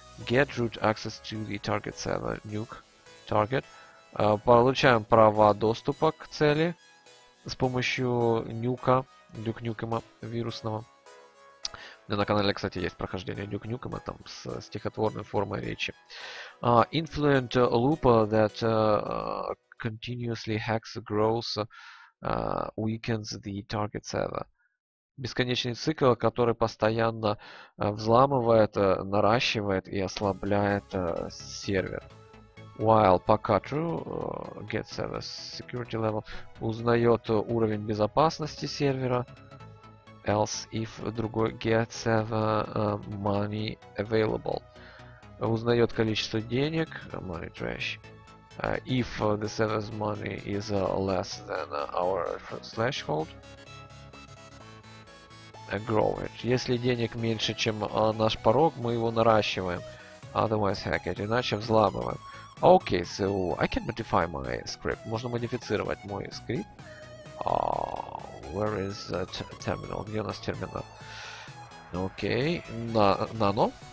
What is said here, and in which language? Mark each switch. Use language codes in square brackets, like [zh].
[en] Get root access to the target server. Nuke target. [ru] Получаем права доступа к цели с помощью нюка, Duke Nukem'а вирусного. У меня на канале, кстати, есть прохождение Duke Nukem'а там с стихотворной формой речи. [en] Influent loop that continuously hacks, grows, weakens the target server. [ru] Бесконечный цикл, который постоянно взламывает, наращивает и ослабляет сервер. [en] While [ru] пока [en] true, get server security level, [ru] узнает уровень безопасности сервера. [en] Else if [ru] другой [en] get server money available. [ru] Узнает количество денег, [en] money trash. If the server's money is less than our threshold. Grow it. [ru] Если денег меньше, чем наш порог, мы его наращиваем. [en] Otherwise hack it. [ru] Иначе взламываем. [en] Okay, so I can modify my script. [ru] Можно модифицировать мой скрипт. [en] Where is that terminal? [ru] Где у нас терминал? [en] Okay. Nano.